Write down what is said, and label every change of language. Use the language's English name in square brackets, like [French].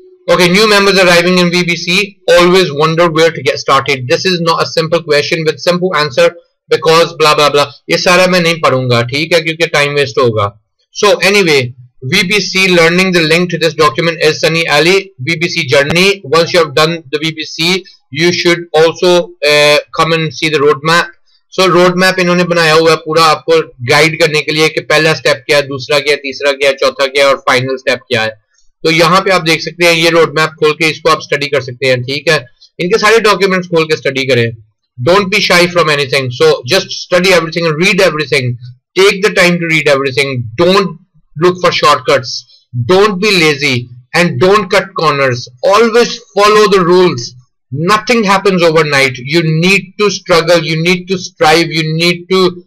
[English] Okay, new members arriving in VBC always wonder where to get started. This is not a simple question with simple answer because blah blah blah. [Hindi] ये सारा मैं नहीं पढ़ूंगा, ठीक है, क्योंकि time waste होगा. [English] So anyway, VBC learning, the link to this document is Sunny Ali VBC journey. Once you have done the VBC, you should also come and see the roadmap. [Hindi] So road map इन्होंने बनाया हुआ है पूरा आपको guide करने के लिए कि पहला स्टेप क्या है, दूसरा क्या है, तीसरा क्या है, चौथा क्या है और फाइनल स्टेप क्या है. तो यहाँ पे आप देख सकते हैं, ये रोड मैप खोल के इसको आप स्टडी कर सकते हैं. ठीक है, इनके सारे डॉक्यूमेंट्स खोल के स्टडी करें. [English] Don't be shy from anything, so just study everything, read everything, take the time to read everything. Don't look for shortcuts, don't be lazy and don't cut corners. Always follow the rules. Nothing happens overnight. You need to struggle. You need to strive. You need to